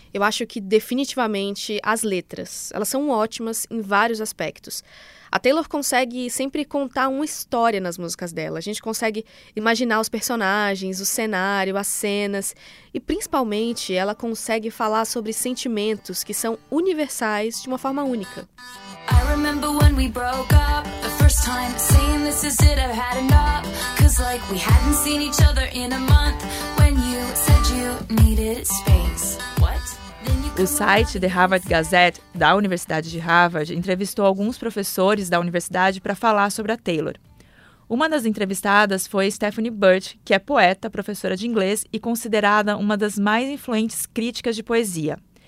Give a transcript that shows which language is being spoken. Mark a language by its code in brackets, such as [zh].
[pt] Eu acho que definitivamente as letras. Elas são ótimas em vários aspectos. A Taylor consegue sempre contar uma história nas músicas dela. A gente consegue imaginar os personagens, o cenário, as cenas. E, principalmente, ela consegue falar sobre sentimentos que são universais de uma forma única. [en] I remember when we broke up, the first time saying this is it, I've had enough. Cause like we hadn't seen each other in a month when you said you needed space. [pt] O site The Harvard Gazette, da Universidade de Harvard, entrevistou alguns professores da universidade para falar sobre a Taylor. Uma das entrevistadas foi Stephanie Birch, que é poeta, professora de inglês e considerada uma das mais influentes críticas de poesia.